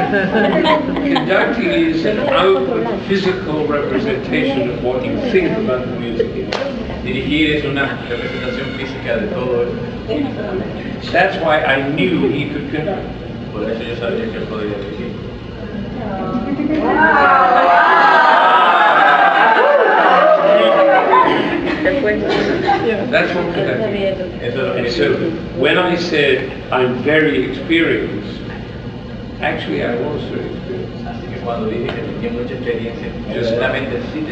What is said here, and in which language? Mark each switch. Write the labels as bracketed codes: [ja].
[en] Conducting is an outward physical representation of what you think about the music. [es] Dirigir es una representación física de todo esto. [en] So that's why I knew he could conduct. [es] Por eso yo sabía que él podía dirigir. [en] That's what conducting. So when I said I'm very experienced, actually I was very experienced. [es] Así que cuando dije que tenía mucha experiencia,